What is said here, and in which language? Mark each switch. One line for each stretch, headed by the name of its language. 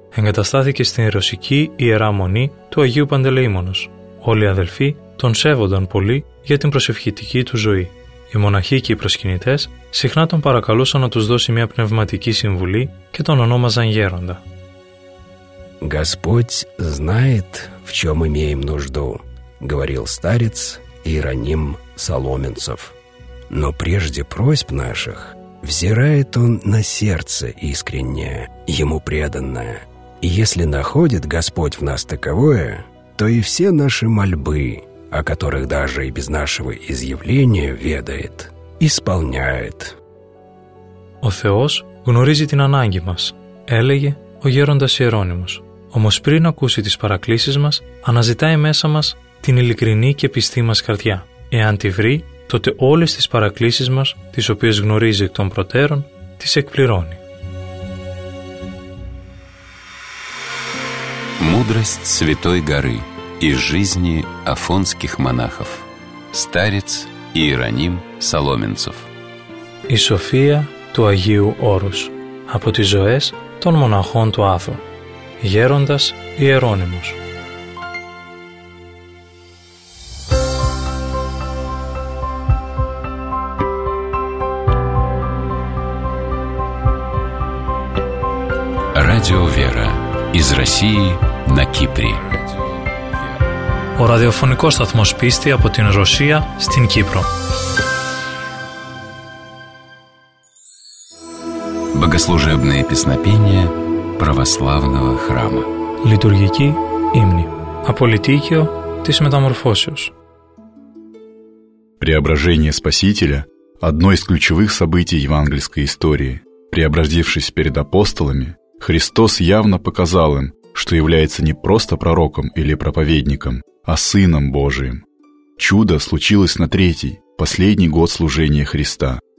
Greek: Εγκαταστάθηκε στην Ρωσική Ιερά Μονή του Αγίου Παντελεήμονος. Όλοι οι αδελφοί τον σέβονταν πολύ για την προσευχητική του ζωή. Οι μοναχοί και οι προσκυνητές συχνά τον παρακαλούσαν να τους δώσει μια πνευματική συμβουλή και τον ονόμαζαν γέροντα.
Russian: «Господь знает, в чем имеем нужду», говорил старец Иероним Соломенцев. «Но прежде просьб наших взирает он на сердце искреннее, ему преданное. И если находит Господь в нас таковое, то и все наши мольбы, о которых даже и без нашего изъявления ведает, исполняет».
Greek: «Ο Θεός γνωρίζει την ανάγκη μας», έλεγε ο γέροντας Ιερώνυμος. Όμως πριν ακούσει τις παρακλήσεις μας, αναζητάει μέσα μας την ειλικρινή και πιστή μας καρδιά. Εάν τη βρει, τότε όλες τις παρακλήσεις μας, τις οποίες γνωρίζει εκ των προτέρων, τις εκπληρώνει.
Russian: Μούδραστ Σβητόι Γαρή из жизни афонских монахов. Старец Иероним Соломенцев.
Greek: Η Σοφία του Αγίου Όρους. Από τις ζωές των μοναχών του Άθου. Γέροντας Ιερώνυμος.
Russian: Радио Вера. Из России на Кипре.
Greek: Ο ραδιοφωνικός σταθμός πίστη από την Ρωσία στην Κύπρο.
Russian: Богослужебные песнопения православного храма.
Greek: Λειτουργική ύμνη. Απολυτίκιο της μεταμορφώσεως.
Russian: Преображение Спасителя – одно из ключевых событий евангельской истории. Преобразившись перед апостолами, Христос явно показал им, что является не просто пророком или проповедником, а Сыном Божиим. Чудо случилось на третий, последний год служения Христа.